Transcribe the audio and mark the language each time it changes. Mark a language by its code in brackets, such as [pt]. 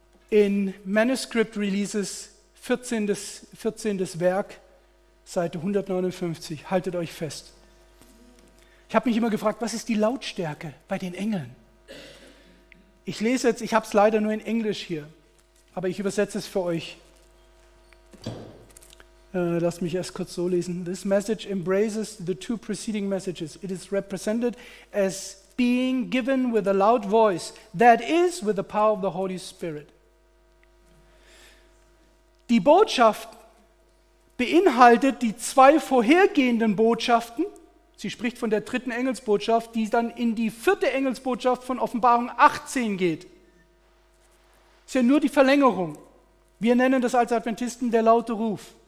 [de] In Manuscript Releases 14. Werk, Seite 159, haltet euch fest. Ich habe mich immer gefragt, was ist die Lautstärke bei den Engeln? Ich lese jetzt, ich habe es leider nur in Englisch hier, aber ich übersetze es für euch. Lasst mich erst kurz so lesen. [en] This message embraces the 2 preceding messages. It is represented as being given with a loud voice, that is with the power of the Holy Spirit. [de] Die Botschaft beinhaltet die 2 vorhergehenden Botschaften. Sie spricht von der 3. Engelsbotschaft, die dann in die 4. Engelsbotschaft von Offenbarung 18 geht. Das ist ja nur die Verlängerung. Wir nennen das als Adventisten der laute Ruf.